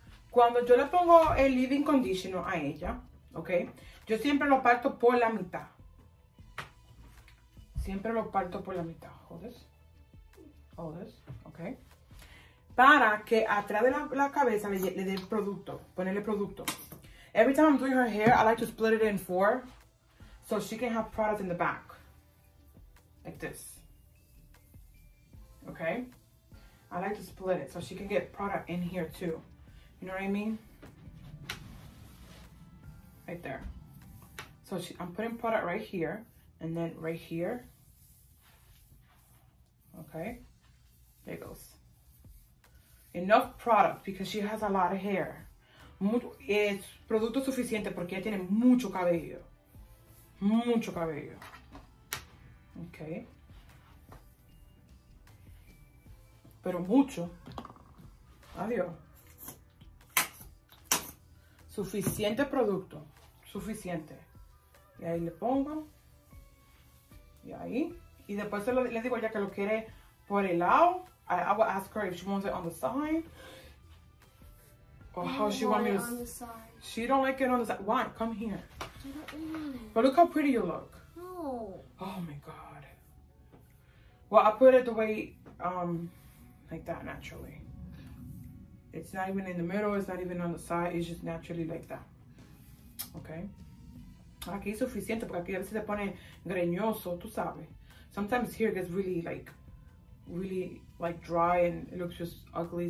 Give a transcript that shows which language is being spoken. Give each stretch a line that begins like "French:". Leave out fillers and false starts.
Spanish: Cuando yo le pongo el leave-in conditioner a ella, ¿ok? Yo siempre lo parto por la mitad. Siempre lo parto por la mitad.
English: Hold this.
Spanish: ¿Ok? Para que atrás de la cabeza le dé el producto. Ponerle producto.
English: Every time I'm doing her hair, I like to split it in four. So she can have product in the back. Like this. ¿Ok? I like to split it so she can get product in here too. You know what I mean? Right there. So I'm putting product right here And then right here, okay, there goes. Enough product because she has a lot of hair.
Spanish: Es producto suficiente porque ella tiene mucho cabello. Mucho cabello. Okay. Pero mucho. Adiós. Suficiente producto. Suficiente. Y ahí le pongo. Y ahí. Y después le digo ya que lo quiere por el lado.
English: I will ask her if she wants it on the side. Or how she wants me to... On the side. She don't like it on the side. Why? Come here. I don't want it. But look how pretty you look. No. Oh my God. Well, I put it the way... like that, naturally. It's not even in the middle. It's not even on the side. It's just naturally like that. Okay?
Spanish: Aquí es suficiente porque aquí a veces se pone greñoso, tú sabes.
English: Sometimes here gets really like, really like dry and it looks just ugly.